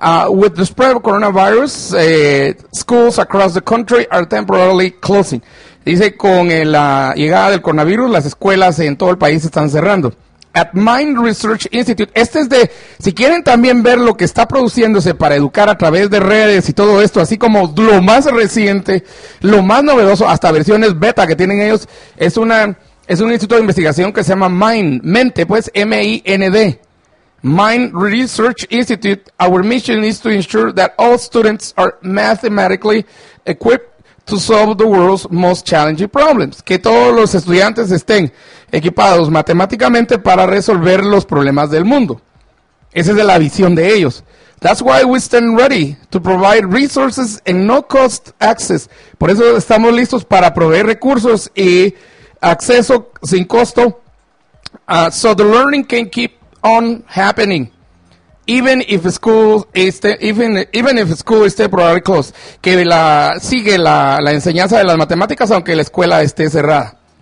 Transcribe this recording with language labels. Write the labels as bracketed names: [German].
[English] With the spread of coronavirus, schools across the country are temporarily closing. [Spanish] Dice, con la llegada del coronavirus, las escuelas en todo el país están cerrando. At Mind Research Institute, este es de, si quieren también ver lo que está produciéndose para educar a través de redes y todo esto, así como lo más reciente, lo más novedoso, hasta versiones beta que tienen ellos, es un instituto de investigación que se llama Mind, Mente, pues MIND. [English] Mind Research Institute, our mission is to ensure that all students are mathematically equipped to solve the world's most challenging problems. [Spanish] Que todos los estudiantes estén equipados matemáticamente para resolver los problemas del mundo. Esa es la visión de ellos. [English] That's why we stand ready to provide resources and no cost access. [Spanish] Por eso estamos listos para proveer recursos y acceso sin costo. [English] So the learning can keep on happening, even if school is temporarily closed, [Spanish] que sigue la enseñanza de las matemáticas aunque la escuela esté cerrada.